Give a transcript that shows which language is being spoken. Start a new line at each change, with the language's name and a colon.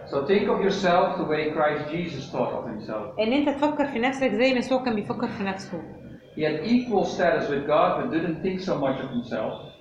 English: So think of yourself the way Christ Jesus thought of himself.
Arabic: إن أنت تفكر في نفسك زي ما يسوع كان بيفكر في نفسه.
English: He had equal status with God but didn't think so much of himself.